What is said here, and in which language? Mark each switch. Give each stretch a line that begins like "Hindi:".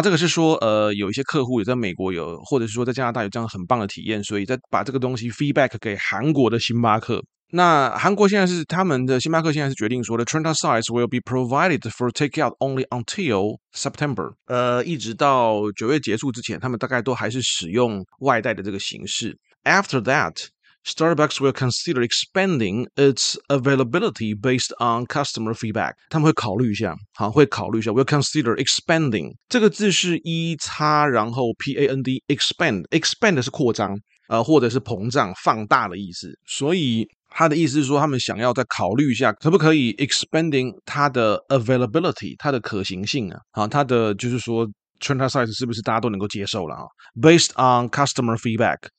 Chinese: 这个是说，有一些客户也在美国有，或者是说在加拿大有这样很棒的体验，所以再把这个东西 feedback 给韩国的星巴克。那韩国现在是他们的星巴克现在是决定说，
English: the Trenta size will be provided for takeout only until September，
Chinese: 一直到9月结束之前，他们大概都还是使用外带的这个形式。
English: After that。 Starbucks will consider expanding its availability based on customer feedback。
Chinese: 他们会考虑一下，好，会考虑一下。
English: Will consider expanding
Chinese: 这个字是一叉，然后 PAND，expand 是扩张，或者是膨胀、放大的意思。所以他的意思是说，他们想要再考虑一下，可不可以 expanding 它的 availability，它的可行性啊？好，它的就是说 Trenta size 是不是大家都能够接受了啊？
English: Based on customer feedback。